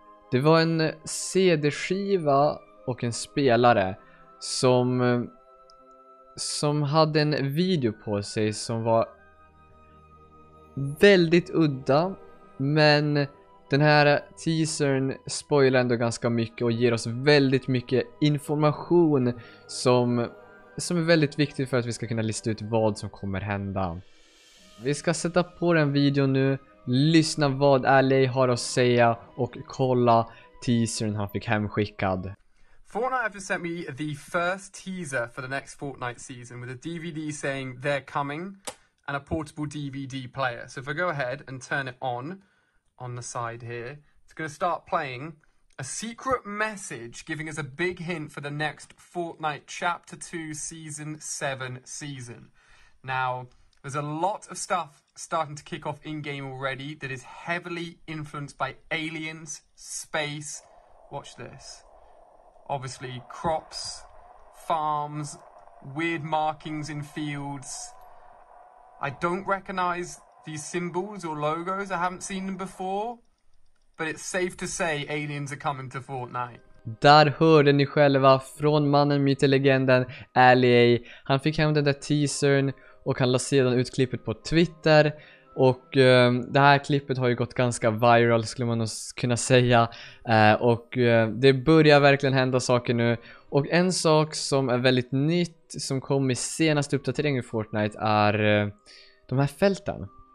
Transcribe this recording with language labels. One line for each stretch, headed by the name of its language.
Swedish: Det var en CD-skiva och en spelare som hade en video på sig som var väldigt udda, men den här teasern spoilar ändå ganska mycket och ger oss väldigt mycket information som är väldigt viktig för att vi ska kunna lista ut vad som kommer hända. Vi ska sätta på den videon nu, lyssna vad Allie har att säga och kolla teasern han fick hemskickad.
English: Fortnite have just sent me the first teaser for the next Fortnite season with a DVD saying they're coming and a portable DVD player. So if I go ahead and turn it on the side here, it's going to start playing a secret message giving us a big hint for the next Fortnite Chapter 2 Season 7 season. Now, there's a lot of stuff starting to kick off in-game already that is heavily influenced by aliens, space. Watch this. Obviously, crops, farms, weird markings in fields. I don't recognize these symbols or logos. I haven't seen them before. But it's safe to say aliens are coming to Fortnite.
Swedish: Där hörde ni själva från mannen, myten, legenden, Allie. Han fick hem den där teasern och han la sedan ut klippet på Twitter. Och det här klippet har ju gått ganska viral skulle man kunna säga. Och det börjar verkligen hända saker nu. Och en sak som är väldigt nytt som kom i senaste uppdateringen i Fortnite är de här fälten.